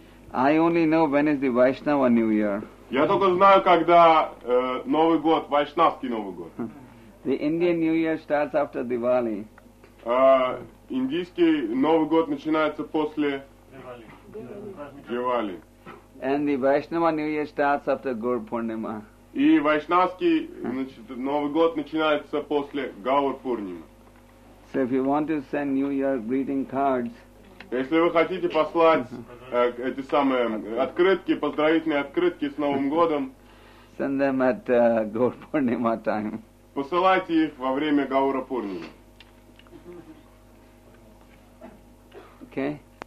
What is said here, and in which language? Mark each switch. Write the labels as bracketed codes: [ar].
[en] I only know when is the Vaishnava New Year. [ru] Я только знаю, когда Новый год, Вайшнавский Новый год. [en] The Indian New Year starts after Diwali. [ru] Индийский Новый год начинается после Diwali. [en] And the Vaishnava New Year starts after Gaur Purnima. [ru] И вайшнавский, значит, Новый год начинается после Гаур-пурнимы. [en] So if you want to send New Year greeting cards, [ru] если вы хотите послать эти самые открытки, поздравительные открытки с Новым годом, [en] send them at Gaur-purnima time. [ru] Посылайте их во время Гаура-пурнимы. [en] Okay.